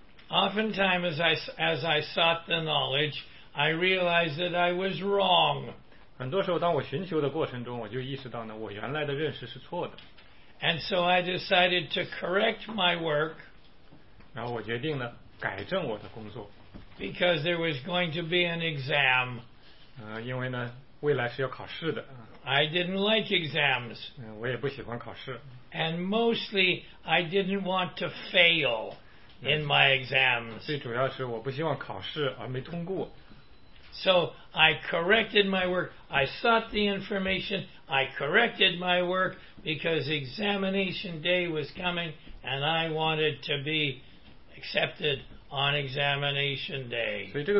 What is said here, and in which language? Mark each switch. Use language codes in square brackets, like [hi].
[en] Oftentimes, as I sought the knowledge, I realized that I was wrong. [zh] 很多时候，当我寻求的过程中，我就意识到呢，我原来的认识是错的。 [en] And so I decided to correct my work. [zh] 然后我决定呢，改正我的工作。 [en] Because there was going to be an exam. [zh] 因为呢，未来是要考试的。 [en] I didn't like exams. [zh] 我也不喜欢考试。 [en] And mostly, I didn't want to fail in my exams. [zh] 最主要是我不希望考试而没通过。 [en] So I corrected my work. I sought the information. I corrected my work because examination day was coming and I wanted to be accepted on examination day.